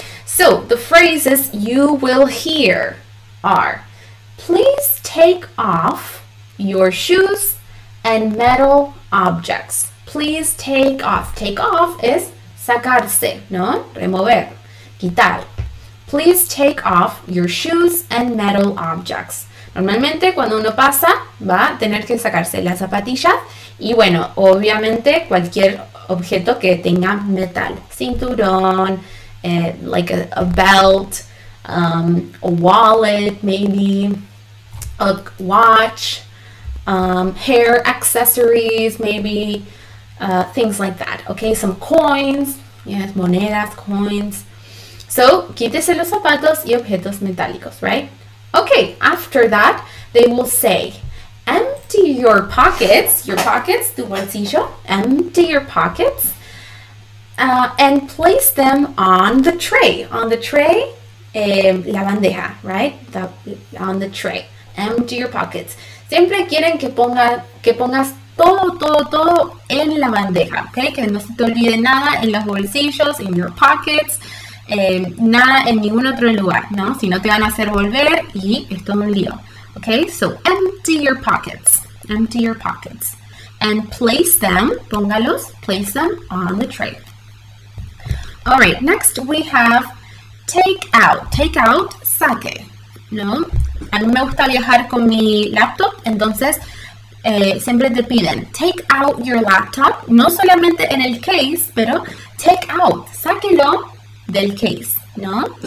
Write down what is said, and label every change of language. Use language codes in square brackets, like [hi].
[en] So, the phrases you will hear are, please take off your shoes and metal objects. Please take off. Take off is [es] sacarse, ¿no? Remover, quitar. [en] Please take off your shoes and metal objects. [es] Normalmente, cuando uno pasa, va a tener que sacarse las zapatillas y, bueno, obviamente, cualquier objeto que tenga metal. [en] Cinturón, like a belt, a wallet, maybe a watch, hair accessories, maybe things like that. Okay, some coins, yes, monedas, coins. So, [es] quítese los zapatos y objetos metálicos, [en] right? Okay, after that, they will say, empty. empty your pockets, [es] tu bolsillo, [en] empty your pockets, and place them on the tray, [es] la bandeja, [en] right? On the tray, empty your pockets. [es] Siempre quieren que pongas todo en la bandeja, okay? Que no se te olvide nada en los bolsillos, [en] in your pockets, [es] nada en ningún otro lugar, ¿no? Si no te van a hacer volver y es todo un lío. [en] Okay, so empty your pockets, and place them, póngalos, place them on the tray. All right, next we have take out, [es] saque, ¿no? A mí me gusta viajar con mi laptop, entonces siempre te piden, [en] take out your laptop, [es] no solamente en el case, pero [en] take out, [es] sáquelo del case, ¿no?